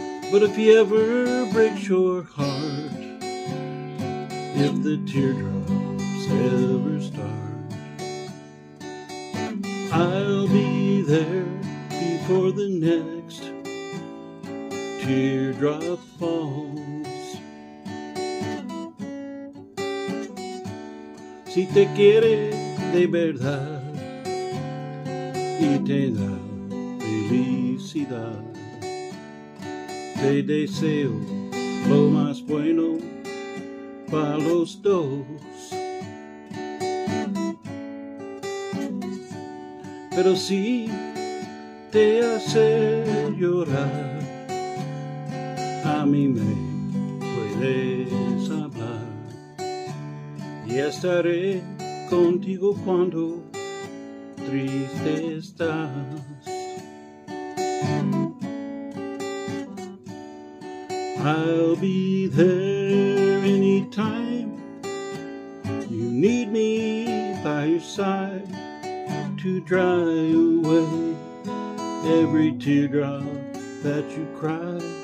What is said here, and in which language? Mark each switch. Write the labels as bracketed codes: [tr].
[en] But if he ever breaks your heart, if the teardrops ever start, I'll be there before the next teardrop falls. [es] Si te quiere de verdad y te da felicidad, te deseo lo más bueno para los dos. Pero si te hace llorar, a mí me puedes hablar. Y estaré contigo cuando triste estás. [en] I'll be there anytime you need me by your side to dry away every teardrop that you cry.